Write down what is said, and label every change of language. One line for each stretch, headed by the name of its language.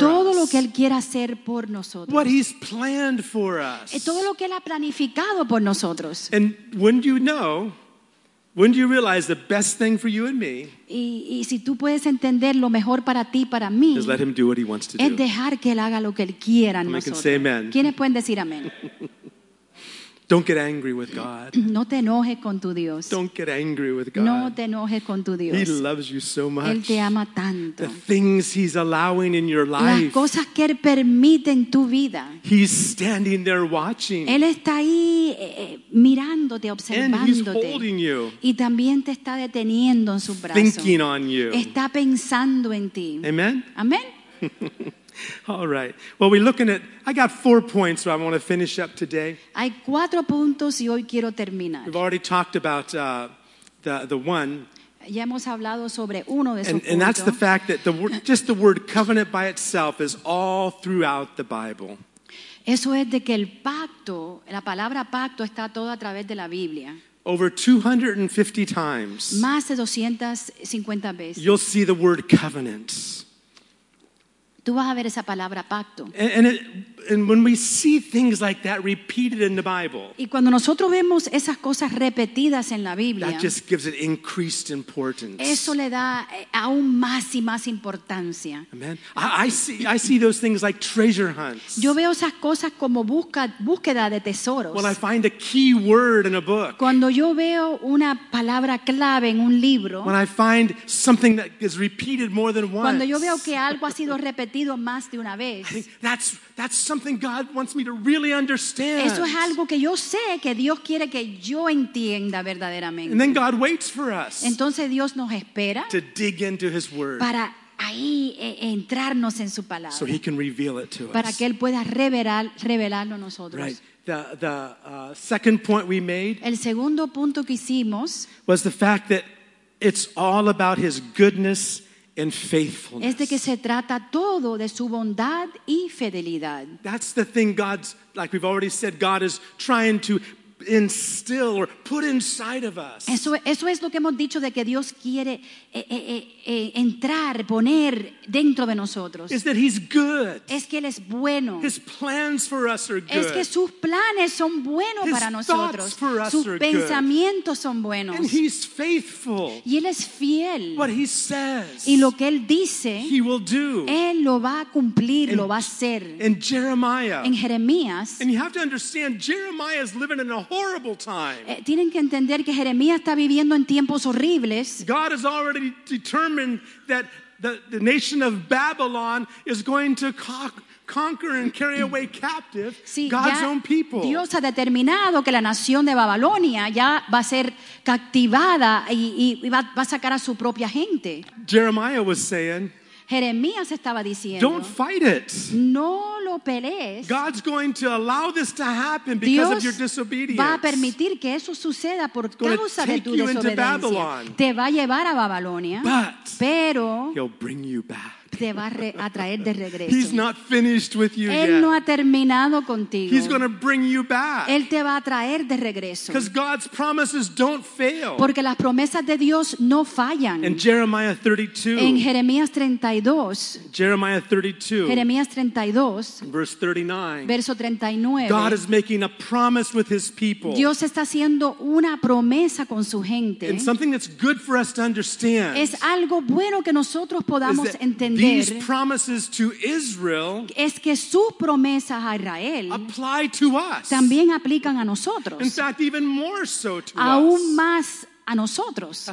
Spanish: Todo lo que él quiere hacer por nosotros.
English: What He's planned for us.
Spanish: Todo lo que él ha planificado por nosotros.
English: And when do you know? When do you realize the best thing for you and me?
Spanish: Y si tú puedes entender lo mejor para ti para mí.
English: Is let Him do what He wants to do.
Spanish: Es dejar que él haga lo que él quiera en nosotros.
English: And we can say amen.
Spanish: ¿Quiénes pueden decir amén?
English: Don't get angry with God.
Spanish: No te enojes con tu Dios.
English: Don't get angry with God.
Spanish: No te enojes con tu Dios.
English: He loves you so much.
Spanish: Él te ama tanto.
English: The things He's allowing in your life.
Spanish: Las cosas que él permite en tu vida.
English: He's standing there watching.
Spanish: Él está ahí mirándote, observándote.
English: And He's holding you.
Spanish: Y también te está deteniendo en sus brazos.
English: Thinking on you.
Spanish: Está pensando en ti.
English: Amen.
Spanish: Amen.
English: All right. Well, we're looking at. I got 4 points, so I want to finish up today.
Spanish: Hay cuatro puntos y hoy quiero terminar.
English: We've already talked about the one.
Spanish: Ya hemos hablado sobre uno de esos puntos.
English: And that's the fact that the word covenant by itself is all throughout the Bible.
Spanish: Eso es de que el pacto, la palabra pacto, está todo a través de la Biblia.
English: Over 250 times.
Spanish: Más de 250 veces.
English: You'll see the word covenant.
Spanish: Tú vas a ver esa palabra pacto.
English: And when we see things like that repeated in the Bible,
Spanish: y cuando nosotros vemos esas cosas repetidas en la Biblia,
English: that just gives it increased importance.
Spanish: Eso le da aún más y más importancia.
English: Amen. I see those things like treasure hunts.
Spanish: Yo veo esas cosas como búsqueda de tesoros.
English: When I find a key word in a book.
Spanish: Cuando yo veo una palabra clave en un libro.
English: When I find something that is repeated more than once.
Spanish: Cuando yo veo que algo ha sido repetido más de una vez.
English: I think that's something God wants me to really understand.
Spanish: Eso es algo que yo sé que Dios quiere que yo entienda verdaderamente.
English: And then God waits for us.
Spanish: Entonces Dios nos espera
English: to dig into His word.
Spanish: Para ahí entrarnos en su palabra.
English: So He can reveal it to
Spanish: para us. Para que él pueda revelarlo a nosotros.
English: Right. The second point we made.
Spanish: El segundo punto que hicimos
English: was the fact that it's all about His goodness. And faithfulness.
Spanish: Es de que se trata todo de su bondad y fidelidad.
English: That's the thing God's, like we've already said, God is trying to instill or put inside of us.
Spanish: Eso es lo que hemos dicho de que Dios quiere entrar, poner dentro de nosotros.
English: Is that He's good.
Spanish: Es que Él es bueno.
English: His plans for us are good.
Spanish: Es que sus planes son buenos para nosotros.
English: His thoughts for us
Spanish: sus pensamientos son buenos.
English: And He's faithful.
Spanish: Y Él es fiel.
English: What He says,
Spanish: y lo que Él dice,
English: He will do.
Spanish: Él lo va a cumplir, lo va a hacer.
English: In Jeremiah.
Spanish: En Jeremías.
English: And you have to understand, Jeremiah is living in a horrible time.
Spanish: Tienen que entender que Jeremías está viviendo en tiempos horribles.
English: God has already determined that the nation of Babylon is going to conquer and carry away captive God's own people.
Spanish: Dios ha determinado que la nación de Babilonia ya va a ser captivada y va a sacar a su propia gente.
English: Jeremiah was saying,
Spanish: Jeremías estaba diciendo,
English: don't fight it.
Spanish: No lo pelees.
English: God's going to allow this to happen because of your disobedience.
Spanish: Dios va a permitir que eso suceda por causa de tu desobediencia. Te va a llevar a Babilonia, pero
English: he'll bring you back.
Spanish: Te va a traer de regreso.
English: He's not finished with you
Spanish: él
English: yet.
Spanish: No ha terminado contigo.
English: He's going to bring you back.
Spanish: Él te va a traer de regreso.
English: Because God's promises don't fail.
Spanish: Porque las promesas de Dios no fallan.
English: In Jeremiah 32.
Spanish: En Jeremías 32.
English: Jeremiah 32.
Spanish: Jeremías 32.
English: Verse 39.
Spanish: Verso 39.
English: God is making a promise with his people.
Spanish: Dios está haciendo una promesa con su gente.
English: And something that's good for us to understand.
Spanish: Es algo bueno que nosotros podamos entender.
English: These promises to Israel,
Spanish: es que sus promesas a Israel
English: apply to us.
Spanish: También aplican a nosotros.
English: In fact, even more so to us.
Spanish: Aún más a nosotros.